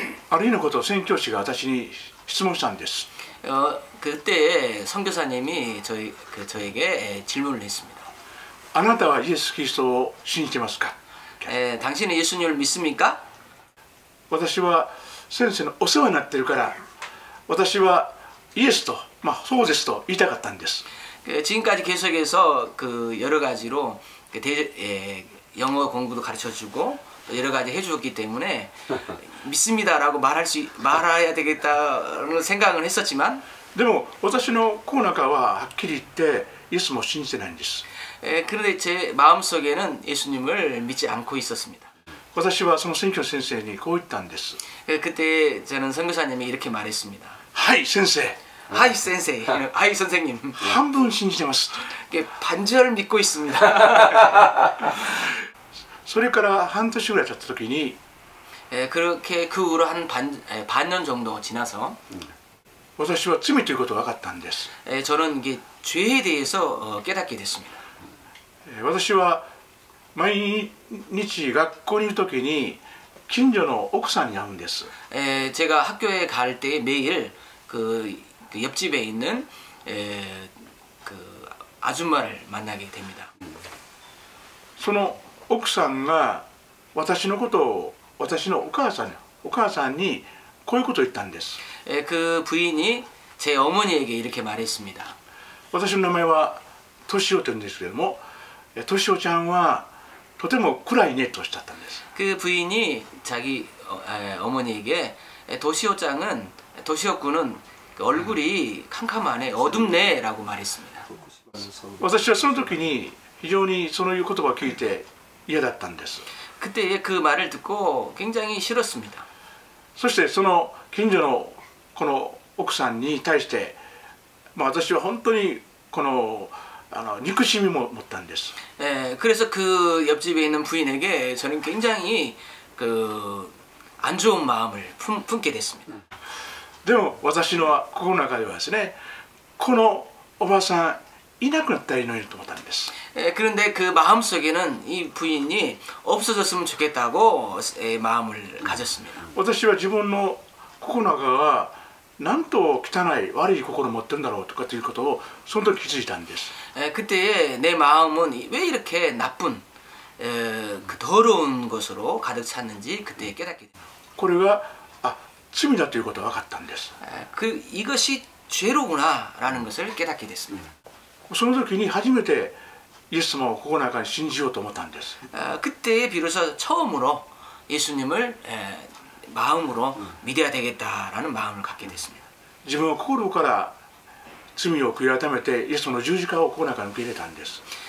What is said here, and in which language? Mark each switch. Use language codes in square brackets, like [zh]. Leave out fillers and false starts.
[ko] 아르히는것도선교사가저한테질문을했습니다 그때선교사님이저에게질문을했습니다 [ja] 아나타와예수그리스도신지ますか [ko] 당신은예수님을믿습니까 [ja] 私は先生のお世話になってるから私はイエスと、まあ、そうですと言いたかったんです [ko] 지금까지계속해서그여러가지로영어공부도가르쳐주고여러가지해주었기때문에믿습니다라고말해야되겠다는생각을했었지만 [ja] でも私の心の中ははっきり言ってイエスも信じてないんです [ko] 그런데제마음속에는예수님을믿지않고있었습니다 [ja] 私はその宣教先生にこう言ったんです [ko] 그때저는선교사님이이렇게말했습니다 [ja] はい先生はい先生はい선생님 半分信じてます [ko] 반절믿고있습니다 [ja] それから半年ぐらい経った時に [ko] 그렇게그후로한 반년정도지나서 [ja] 私は罪ということが分かったんです [ko] 저는이게죄에대해서깨닫게됐습니다 [ja] 私は毎日学校にいるときに近所の奥さんに会うんです。 [ko] 제가학교에갈때매일그옆집에있는그아줌마를만나게됩니다 [ja] その奥さんが私のことを私のお母さんにこういうことを言ったんです。 [ko] 그부인이제어머니에게이렇게말했습니다 [ja] 私の名前はトシオというんですけれども、トシオちゃんはとても暗いねとおっしゃったんです。 [ko] 그부인이자기 어머니에게 도시오군은 얼굴이 캄캄하네 어둡네 라고 말했습니다. [ja] 私はその時に非常にその言葉を聞いて嫌だったんです。 [ko] 그때그말을듣고굉장히싫었습니다. [ja] そしてその近所のこの奥さんに対して、まあ私は本当にこの憎しみも持ったんです。 [ko] 그래서그옆집에있는부인에게저는굉장히그안좋은마음을 품게됐습니다 [ja] でも私の心の中ではですねこのおばさんいなくなったらいいのにと思ったんです [ko] 그런데그마음속에는이부인이없어졌으면좋겠다고마음을가졌습니다 [ja] 私は自分の心の中がなんと汚い悪い心を持ってるんだろうとかということをその時気づいたんです [ko] 그때내마음은왜이렇게나쁜그더러운것으로가득찼는지그때깨닫게됩니 [ja] 다これが罪だということが分かったんです [ko] 그이것이죄로구나라는것을깨닫게됐습니다 [ja] その時に初めてイエス様を心の中に信じようと思ったんです [ko] 그때비로소처음으로예수님을마음으로믿어야되겠다라는마음을갖게됐습니다 [ja] 自分は心から罪を悔い改めてイエス様の十字架を心から受け入れたんです